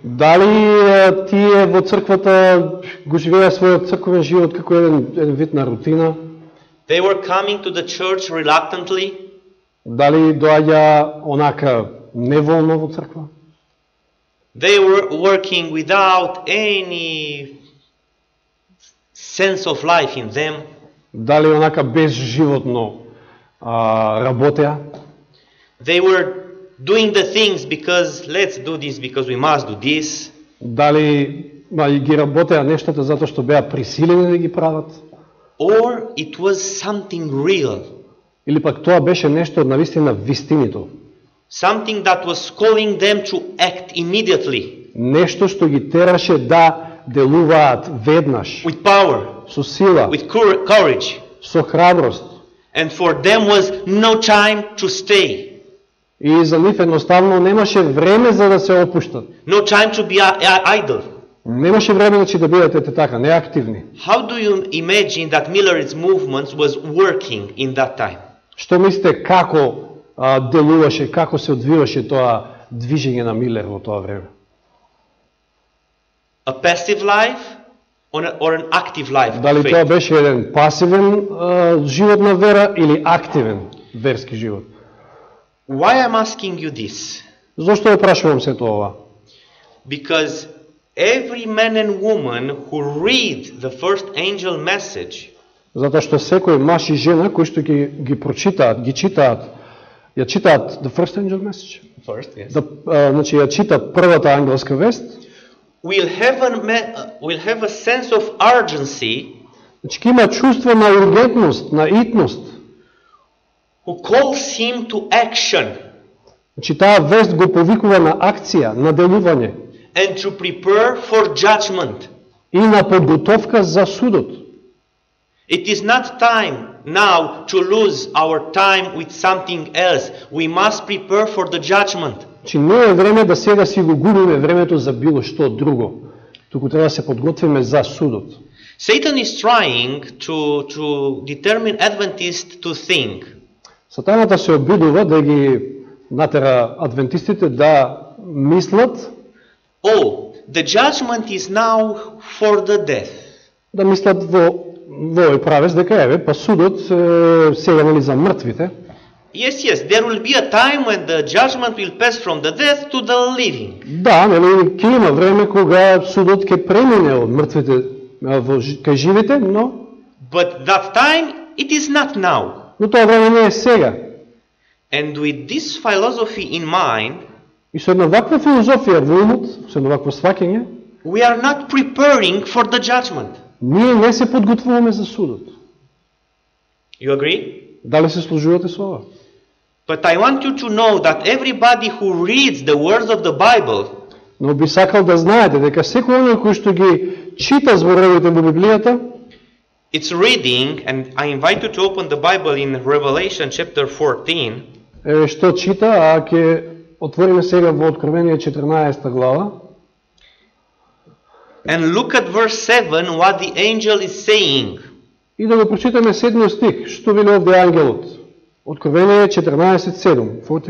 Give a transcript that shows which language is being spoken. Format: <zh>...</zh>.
<mk>Дали тие во црквата го живеа својот црквен живот како еден вид на рутина?</mk> <en>They were coming to the church reluctantly.</en> <mk>Дали доаѓа онака неволно во црква?</mk> <en>They were working without any sense of life in them.</en> <mk>Дали онака безживотно работеа?</mk> <en>They were doing the things because let's do this because we must do this.</en> <mk>Дали ги работеа нештата затоа што беа присилени да ги прават?</mk> <en>Or it was something real.</en> <mk>Или пак тоа беше нешто од навистина вистинито.</mk> <en>Something that was calling them to act immediately.</en> <mk>Нешто што ги тераше да делуваат веднаш.</mk> <en>With power.</en> <mk>Со сила.</mk> <en>With courage.</en> <mk>Со храброст.</mk> <en>And for them was no time to stay.</en> <mk>И за нив едноставно немаше време за да се опуштат.</mk> <en>No time to be idle.</en> <mk>Немаше време значи да бидат ете така неактивни.</mk> <en>How do you imagine that Millerite movement was working in that time?</en> <mk>Што мислите како делуваше, како се одвиваше тоа движење на Милер во тоа време?</mk> <en>A passive life or an active life?</en> <mk>Дали тоа беше еден пасивен живот на вера или активен верски живот?</mk> <en>Why am asking you this?</en> <mk>Зошто ја прашувам се тоа?</mk> <en>Because every man and woman who read the first angel message,</en> <mk>затоа што секој маж и жена кои што ги прочитаат, ги читаат, ја читаат</mk> <en>the first angel message. First, yes.</en> <mk>Значи ја чита првата ангелска вест.</mk> <en>We'll have a sense of urgency.</en> <mk>Значи ќе има чувство на ургентност, на итност.</mk> <en>Who calls him to action.</en> <mk>Значи таа вест го повикува на акција, на делување.</mk> <en>And to prepare for judgment.</en> <mk>И на подготовка за судот.</mk> <en>It is not time now to lose our time with something else. We must prepare for the judgment.</en> <mk>Значи, не е време да сега си го губиме времето за било што друго. Туку треба да се подготвиме за судот.</mk> <en>Satan is trying to determine Adventists to think.</en> <mk>Сатаната се обидува да ги натера адвентистите да мислат.</mk> <en>Oh, the judgment is now for the death.</en> <mk>Да мислат во Вој правес дека еве, па судот сега нали за мртвите.</mk> <en>Yes, yes, there will be a time when the judgment will pass from the dead to the living.</en> <mk>Да, нели ќе има време кога судот ќе премине од мртвите во кај живите, но</mk> <en>but that time it is not now.</en> <mk>Но тоа време не е сега.</mk> <en>And with this philosophy in mind,</en> <mk>и со една ваква филозофија во умот, со една ваква сваќање,</mk> <en>we are not preparing for the judgment.</en> <mk>Ние не се подготвуваме за судот.</mk> <en>You agree?</en> <mk>Дали се служувате со ова?</mk> <en>But I want you to know that everybody who reads the words of the Bible,</en> <mk>но би сакал да знаете дека секој онај кој што ги чита зборовите во Библијата,</mk> <en>it's reading, and I invite you to open the Bible in Revelation chapter 14.</en> <mk>Е, што чита, а ќе отвориме сега во Откровение 14 глава.</mk> <en>And look at verse 7, what the angel is saying.</en> <mk>И да го прочитаме седмиот стих, што вели овде ангелот. Откровение 14.7.</mk>